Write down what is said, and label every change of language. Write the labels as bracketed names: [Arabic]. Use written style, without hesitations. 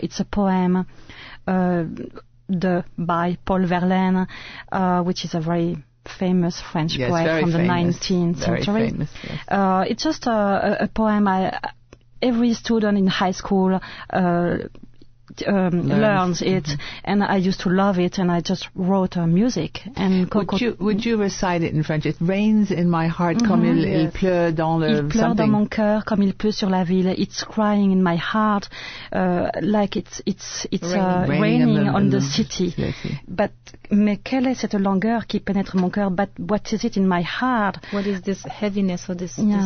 [English] It's a poem by Paul Verlaine, which is a very famous French poem from famous. The 19th very century. Famous, yes. It's just a poem I... Every student in high school learns it, and I used to love it, and I just wrote music. And would you recite it in French? It rains in my heart [French] comme il pleure dans le... Il pleure [English] something. [French] Dans mon cœur comme il pleut sur la ville. [English] It's crying in my heart like it's raining on the city. But [French] mais quelle est cette longueur qui pénètre mon cœur? [English] But what is it in my heart? What is this heaviness or this...